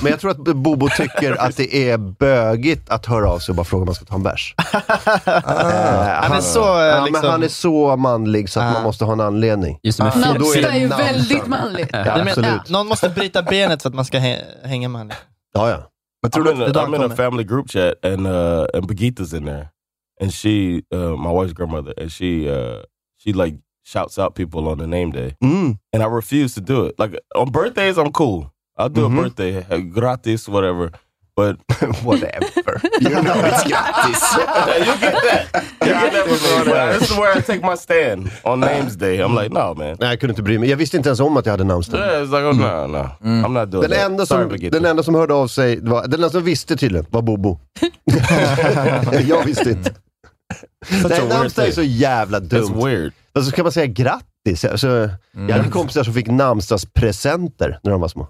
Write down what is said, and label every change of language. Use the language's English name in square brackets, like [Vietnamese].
[Swedish] Men jag tror att Bobo tycker att det är bögigt att höra av sig och bara fråga om man ska ta en bärs. Han är så manlig så att man måste ha en anledning. Namnsdag är ju väldigt manligt. Ja, absolut. Någon måste bryta benet för att man ska hänga med honom. Ja. Men tror [English] I'm in a family group chat and Birgitta's in there. And she, my wife's grandmother, and she like shouts out people on the name day. Mm. And I refuse to do it. Like, on birthdays, I'm cool. I'll do a birthday. Gratis, whatever. But whatever. You know it's gratis. You get that. This is where I take my stand on names day. I'm like, no, man. [Swedish] Nej, jag kunde inte bry mig. Jag visste inte ens om att jag hade namnsdag. [English] Yeah, it's like, oh, no, no. Mm. I'm not doing [Swedish] den enda [English] that. Sorry, [Swedish] den enda som hörde av sig, var, den enda som visste tydligen, var Bobo. Jag visste inte. Det namnsdag är så jävla dumt. [English] That's weird. [Swedish] Och så kan man säga grattis. Alltså, jag hade kompisar som fick namnsdagspresenter när de var små.